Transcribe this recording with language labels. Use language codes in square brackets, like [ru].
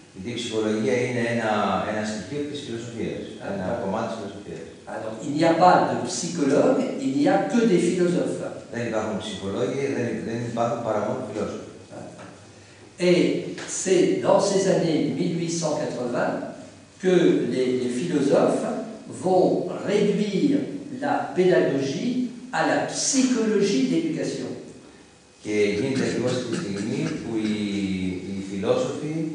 [el] Η ψυχολογία είναι ένα στοιχείο της φιλοσοφίας, ένα κομμάτι της φιλοσοφίας. [fr] Alors, il n'y a pas de psychologue, il n'y a que des philosophes. [el] Δεν υπάρχουν ψυχολόγοι, δεν υπάρχουν παρά μόνο φιλόσοφοι. [fr] Et c'est dans ces années 1880 que les philosophes vont réduire la pédagogie à la psychologie d'éducation. Et c'est à cette époque où les philosophes